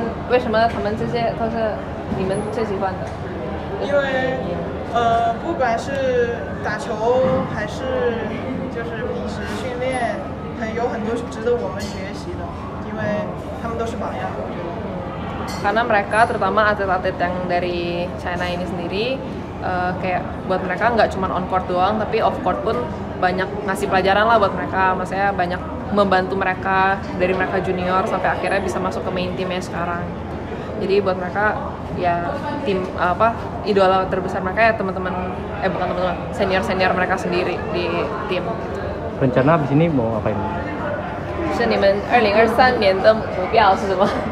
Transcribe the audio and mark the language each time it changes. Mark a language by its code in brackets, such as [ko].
[zh] 为什么他们这些都是你们最喜欢的？因为，不管是打球还是就是平时训练，有很多是值得我们学习的，因为他们都是榜样。 [id] Karena mereka terutama atlet-atlet yang dari China ini sendiri kayak buat mereka nggak cuma on court doang, tapi off court pun banyak ngasih pelajaran lah buat mereka, maksudnya banyak membantu mereka dari mereka junior sampai akhirnya bisa masuk ke main team-nya sekarang. Jadi buat mereka ya tim apa idola terbesar mereka ya teman-teman bukan teman-teman senior mereka sendiri di tim. Rencana abis ini mau apa ini? [zh] 是你们2023年的目标是什么？